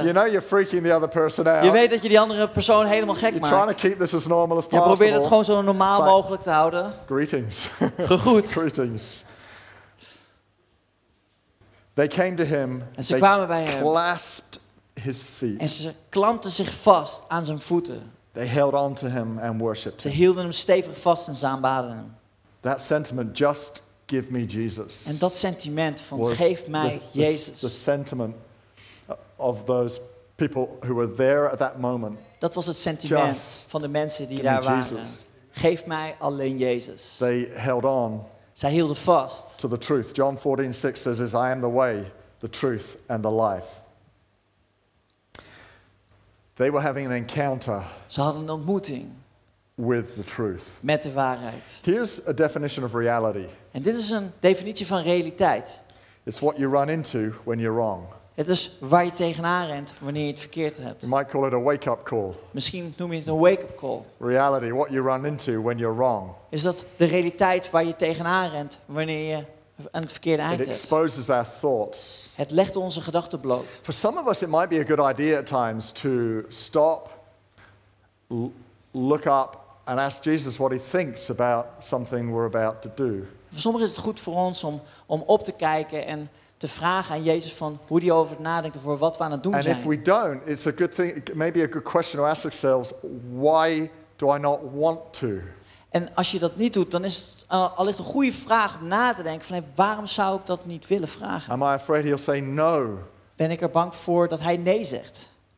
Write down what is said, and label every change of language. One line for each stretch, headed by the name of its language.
English: You know you're freaking the other person out.
Dutch: Je weet dat je die andere persoon helemaal gek maakt.
English: You're trying to keep this as normal as possible.
Dutch: Je probeert het gewoon zo normaal mogelijk te houden.
English: Greetings.
Dutch: Gegroet.
English: Greetings. They came to him.
Dutch: En ze kwamen bij hem.
English: They clasped his feet.
Dutch: En ze klampten zich vast aan zijn voeten.
English: They held on to him and worshipped.
Dutch: Ze hielden hem stevig vast en ze aanbaden hem.
English: That sentiment just give me Jesus.
Dutch: En dat sentiment van geef mij Jezus.
English: The sentiment of those people who were there at that moment.
Dutch: Dat was het sentiment van de mensen die daar waren. Geef mij alleen Jezus.
English: They held on.
Dutch: Zij hielden vast.
English: To the truth. John 14:6 says, "I am the way, the truth and the life." They were having an encounter.
Dutch: Ze hadden een ontmoeting.
English: With the truth.
Dutch: Met de waarheid.
English: Here's a definition of reality.
Dutch: En dit is een definitie van realiteit.
English: It's what you run into when you're wrong.
Dutch: Het is waar je tegenaan rent wanneer je het verkeerd hebt.
English: You might call it a wake-up call.
Dutch: Misschien noem je het een wake-up call.
English: Reality, what you run into when you're wrong.
Dutch: Is dat de realiteit waar je tegenaan rent wanneer je aan het verkeerde eind hebt.
English: It exposes our thoughts.
Dutch: Het legt onze gedachten bloot.
English: For some of us it might be a good idea at times to stop, look up and ask Jesus what he thinks about something we're about to do.
Dutch: Voor sommigen is het goed voor ons om op te kijken en te vragen aan Jezus van hoe die over het nadenken voor wat we aan het doen
English: and
Dutch: zijn.
English: And if we don't, it's a good thing, maybe a good question to ask ourselves, why do I not want to?
Dutch: En als je dat niet doet, dan is het allicht een goede vraag om na te denken van hey, waarom zou ik dat niet willen vragen?
English: Am I afraid he'll say no?
Dutch: Ben ik er bang voor dat hij nee zegt?